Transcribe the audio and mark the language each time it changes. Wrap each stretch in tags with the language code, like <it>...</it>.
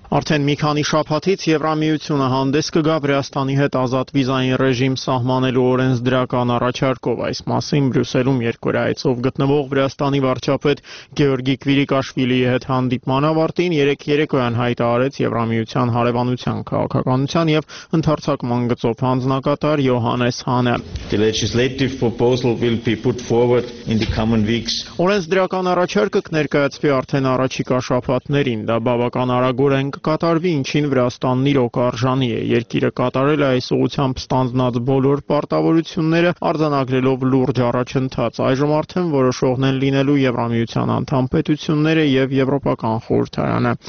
<hy>Արդեն մի քանի շաբաթից Եվրամիությունը հանդես կգա Վրաստանի հետ ազատ վիզային ռեժիմ սահմանելու օրենսդրական առաջարկով, այս մասին Բրյուսելում երկրայացով գտնվող Վրաստանի վարչապետ Գեորգի Քվիրիկաշվիլիի հետ հանդիպման ավարտին 3-3-օյան հայտարարեց Եվրամիության հարևանության քաղաքականության և ընդարձակման գծով հանձնակատար Յոհանես Հանը։</hy> <en>The legislative proposal will be put forward in the coming weeks.</en> <hy>Օրենսդրական առաջարկը կներկայացվի արդեն առաջիկա շաբաթներին, դա բավական արագ ենք կկատարվի, ինչին Վրաստանն իր օկարժանի է, երկիրը կատարել է այս ուղությամբ ստանձնած բոլոր պարտավորությունները, արձանագրելով լուրջ առաջընթաց, այժմ արդեն որոշողն են լինելու Եվրամիության անդամ պետությունները և Եվրոպական խորհրդարանը,</hy>